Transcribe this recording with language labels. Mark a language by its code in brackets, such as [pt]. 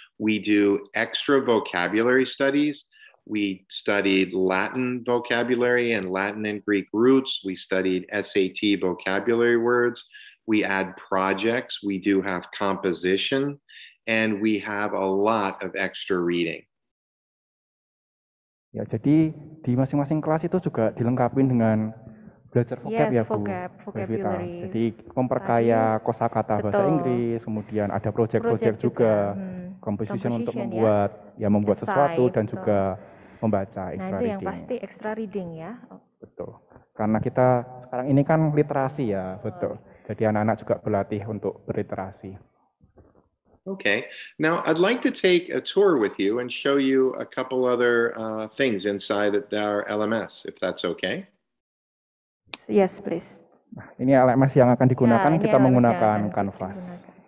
[en] We do extra vocabulary studies. We studied Latin vocabulary and Latin and Greek roots. We studied SAT vocabulary words. We add projects. We do have composition. And we have a lot of extra reading. [id] Ya, jadi di masing-masing kelas itu juga dilengkapi dengan belajar vocab [en] yes, [id] ya, [en] vocab, [id] Bu. Jadi memperkaya kosakata bahasa Inggris, kemudian ada project-project juga. Composition untuk membuat ya, ya membuat [en] essay, [id] sesuatu betul. Dan juga membaca [en] extra reading. [id] Nah, itu yang [en] reading. [id] Pasti [en] extra reading [id] ya. Betul. Karena kita sekarang ini kan literasi ya, betul. Jadi anak-anak juga berlatih untuk berliterasi. [en] Okay. Now, I'd like to take a tour with you and show you a couple other things inside our LMS, if that's okay. Yes, please. [id] Nah, ini LMS yang akan digunakan, ya, kita LMS menggunakan Canvas.